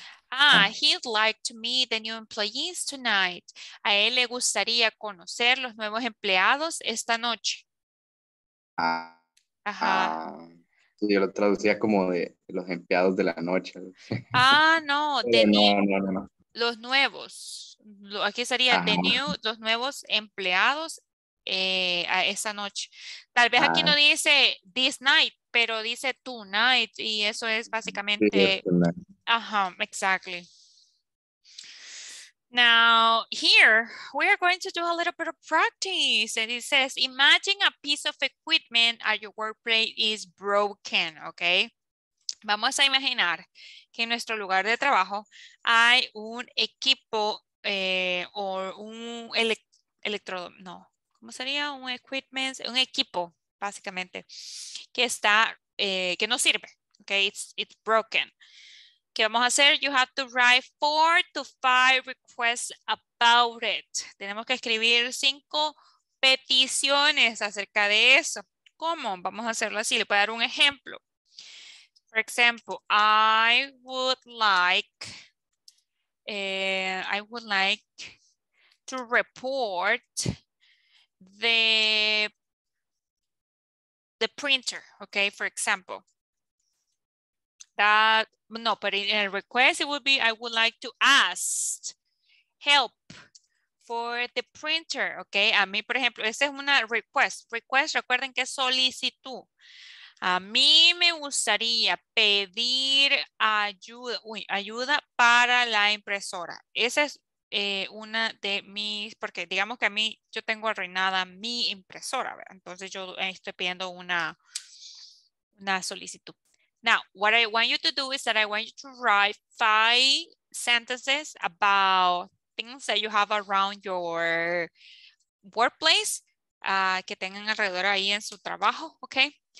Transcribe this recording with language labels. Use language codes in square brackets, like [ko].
[en] Ah, he'd like to meet the new employees tonight. [es] A él le gustaría conocer los nuevos empleados esta noche. Ajá. Yo lo traducía como de los empleados de la noche. Ah, no, de no, no, no, no. Los nuevos. Aquí sería the new, los nuevos empleados a esa noche. Tal vez aquí no dice [en] this night, [es] pero dice tonight, y eso es básicamente. [en] Ajá, exactly. Now, here, we are going to do a little bit of practice. And it says, imagine a piece of equipment at your workplace is broken, okay? [es] Vamos a imaginar que en nuestro lugar de trabajo hay un equipo o un electrodoméstico, no, ¿cómo sería? Un equipment, un equipo, básicamente, que está, que no sirve, okay? [en] It's broken. [es] ¿Qué vamos a hacer? [en] You have to write 4 to 5 requests about it. [es] Tenemos que escribir 5 peticiones acerca de eso. ¿Cómo? Vamos a hacerlo así. Le voy a dar un ejemplo. [en] For example, I would like to report the printer. Okay, for example. That, no, but in a request, it would be, I would like to ask help for the printer, okay? [es] A mí, por ejemplo, esa es una request. Request, recuerden que es solicitud. A mí me gustaría pedir ayuda para la impresora. Esa es una de mis, porque digamos que a mí, yo tengo arruinada mi impresora, ¿verdad? Entonces yo estoy pidiendo una solicitud. [en] Now, what I want you to do is that I want you to write 5 sentences about things that you have around your workplace, [es] que tengan alrededor ahí en su trabajo, [en] okay?